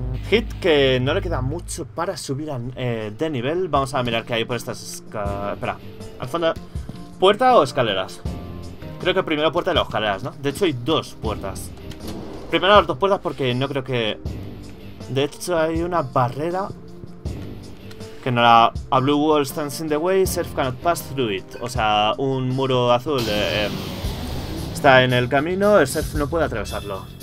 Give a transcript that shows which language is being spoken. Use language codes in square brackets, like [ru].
[es] Hit que no le queda mucho para subir de nivel. Vamos a mirar qué hay por estas. Espera, al fondo. ¿Puerta o escaleras? Creo que primero puerta y luego escaleras, ¿no? De hecho, hay dos puertas. Primero las dos puertas porque no creo que. De hecho, hay una barrera. Que no la. [en] A blue wall stands in the way, Surf cannot pass through it. [es] O sea, un muro azul está en el camino, el Surf no puede atravesarlo.